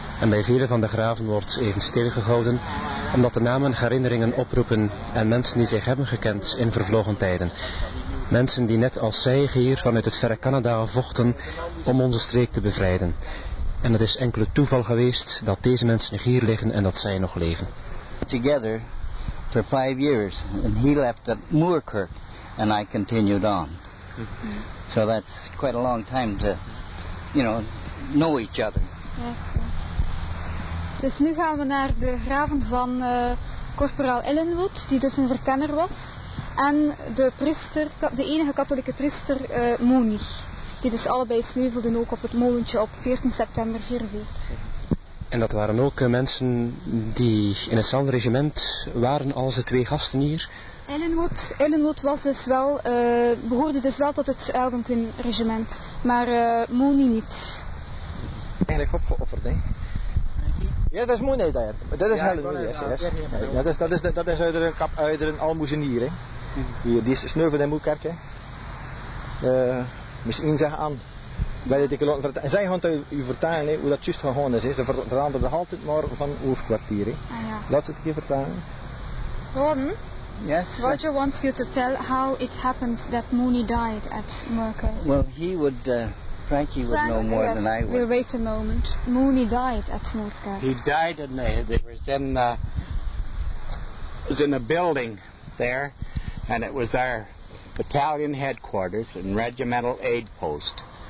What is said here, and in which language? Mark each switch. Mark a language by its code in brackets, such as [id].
[nl] En bij vele van de graven wordt even stilgehouden, omdat de namen herinneringen oproepen aan mensen die zich hebben gekend in vervlogen tijden. Mensen die net als zij hier vanuit het verre Canada vochten om onze streek te bevrijden. En het is enkele toeval geweest dat deze mensen hier liggen en dat zij nog leven. [en] Together for 5 years and he left at Moerkirk and I continued on. So that's quite a long time to, you know each other. [nl] Ja, dus nu gaan we naar de graven van korporaal Ellenwood, die dus een verkenner was, en de priester, de enige katholieke priester Mooney, die dus allebei sneuvelden ook op het molentje op 14 september 44. En dat waren ook mensen die in hetzelfde regiment waren als de twee gasten hier. Ellenwood was dus wel, behoorde dus wel tot het Algonquin regiment, maar Mooney niet. Eigenlijk opgeofferd, hè? Ja, dat is Mooney daar. Dat is Ellenwood, yes. Dat is uit een almoezenier, hè? Hier, die is sneuveld in Moekerk, hè? Misschien zeggen aan. En zij gaan het u vertalen, hè, hoe dat juist gegaan is. Ze veranderen altijd maar van hoofdkwartier. Ah, ja. Laat ze het een keer vertalen. Gordon? [en] Yes. Roger wants you to tell how it happened that Mooney died at Moerkirk. Well, Frankie would know more than I would. We'll wait a moment. Mooney died at Moerkirk. He died in was in a building there, and it was our battalion headquarters and regimental aid post.